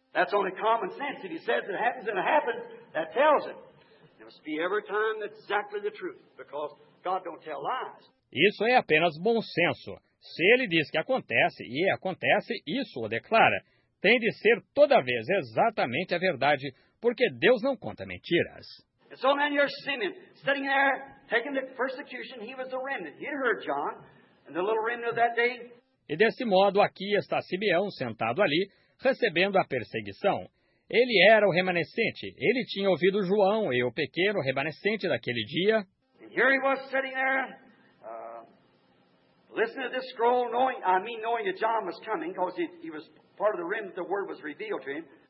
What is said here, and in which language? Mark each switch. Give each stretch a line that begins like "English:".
English: That's only common sense. If he says it happens and it happens, that tells it. It must be every time exactly the truth, because God don't tell lies.
Portuguese: Isso é apenas bom senso. Se ele diz que acontece e acontece, isso o declara. Tem de ser toda vez exatamente a verdade, porque Deus não conta mentiras.
English: So man, you're Simeon, sitting there, taking the persecution, he was the remnant. He heard John, and the little remnant of that day.
Portuguese: E desse modo, aqui está Simeão, sentado ali, recebendo a perseguição. Ele era o remanescente. Ele tinha ouvido João e o pequeno remanescente daquele dia.
English: And here he was sitting there, listening to this scroll, knowing that John was coming, because he was part of the remnant, the word was revealed to him.